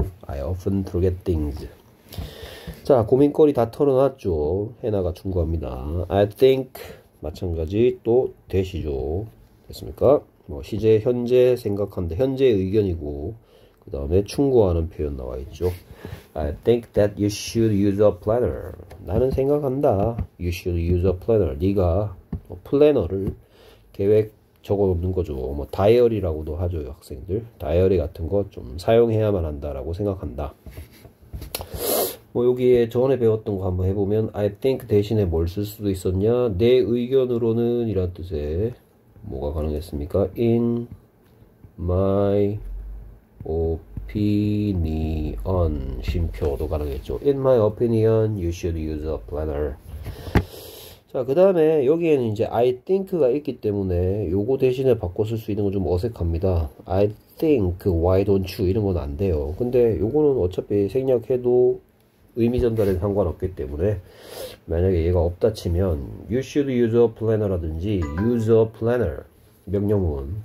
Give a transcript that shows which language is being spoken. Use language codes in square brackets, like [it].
[en] I often forget things. [ko] 자, 고민거리 다 털어놨죠. 해나가 충고합니다. I think 마찬가지 또 되시죠. 됐습니까? 뭐 시제 현재 생각한다. 현재의 의견이고 그 다음에 충고하는 표현 나와있죠. [en] I think that you should use a planner. [ko] 나는 생각한다. [en] You should use a planner. [ko] 네가 플래너를 계획 적어놓는 거죠. 뭐 다이어리라고도 하죠. 학생들. 다이어리 같은 거 좀 사용해야만 한다라고 생각한다. 뭐 여기에 전에 배웠던 거 한번 해보면 I think 대신에 뭘 쓸 수도 있었냐? 내 의견으로는 이란 뜻에 뭐가 가능했습니까? [en] In my opinion, [ko] 심표도 가능했죠. [en] In my opinion, you should use a planner. [ko] 자, 그 다음에 여기에는 이제 I think가 있기 때문에 요거 대신에 바꿔 쓸 수 있는 건 좀 어색합니다. [en] I think, why don't you? [ko] 이런 건 안 돼요. 근데 요거는 어차피 생략해도 의미 전달에 상관없기 때문에 만약에 얘가 없다 치면 [en] you should use a planner [ko] 라든지 [en] use a planner [ko] 명령문.